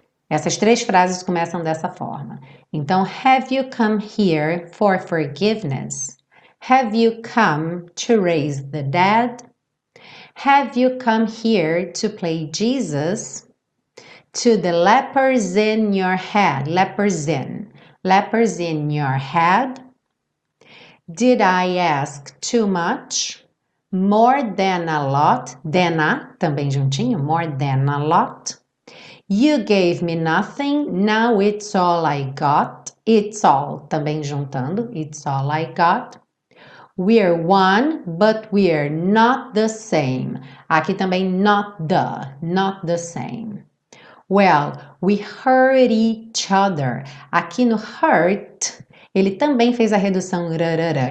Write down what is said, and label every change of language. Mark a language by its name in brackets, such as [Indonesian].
[Portuguese] Essas três frases começam dessa forma. [English] Então, have you come here for forgiveness? Have you come to raise the dead? Have you come here to play Jesus? To the lepers in your head, lepers in your head? Did I ask too much? More than a lot, than a, [Portuguese] também juntinho, [English] more than a lot. You gave me nothing, now it's all I got. It's all, [Portuguese] também juntando, [English] it's all I got. We're one, but we're not the same. [Portuguese] Aqui também, [English] not the same. Well, we hurt each other. [Portuguese] Aqui no hurt, ele também fez a redução rarara.